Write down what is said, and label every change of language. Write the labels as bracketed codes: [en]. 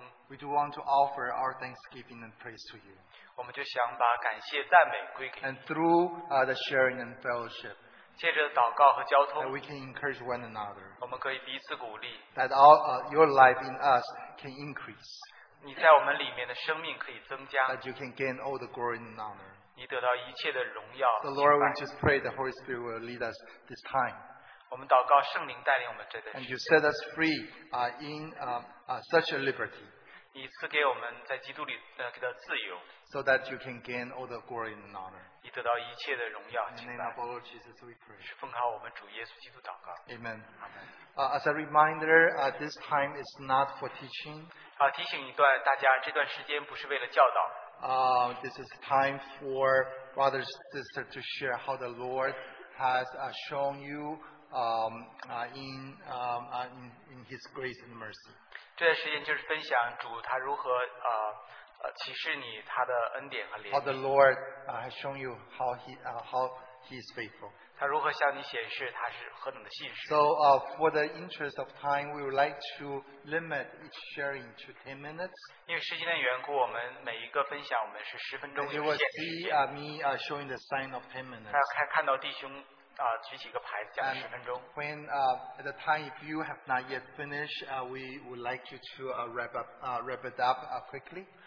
[en] we do want to offer our thanksgiving and praise to you. And through the sharing and fellowship, [zh] 借着祷告和交通, [en] that we can encourage one another, [zh] 我们可以彼此鼓励, [en] that all your life in us can increase, [zh] 你在我们里面的生命可以增加, [en] that you can gain all the glory and honor. [zh] 你得到一切的荣耀, [en] so, Lord, we just pray the Holy Spirit will lead us this time. [zh] 我们祷告圣灵带领我们这段时间, [en] and you set us free in such a liberty. [zh] 你赐给我们在基督里, [en] so that you can gain all the glory and honor. [zh] 你得到一切的荣耀, [en] in the name of our Lord Jesus we pray. [zh] 是奉靠我们主耶稣基督祷告。 [en] Amen. As a reminder, this time is not for teaching. [zh] 提醒一段大家,这段时间不是为了教导。 [en] This is time for brothers and sisters to share how the Lord has shown you in His grace and mercy. [zh] 这段时间就是分享主他如何, [en] how the Lord has shown you how He is faithful. [zh] 他如何向你显示他是何等的信实。 [en] So for the interest of time, we would like to limit each sharing to 10 minutes. [zh] 因为时间的缘故, 我们每一个分享, [en] and you will see me showing the sign of 10 minutes. [zh] 他看到弟兄, 举起一个牌子, 讲10分钟。 [en] And when at the time, if you have not yet finished, we would like you to wrap it up quickly.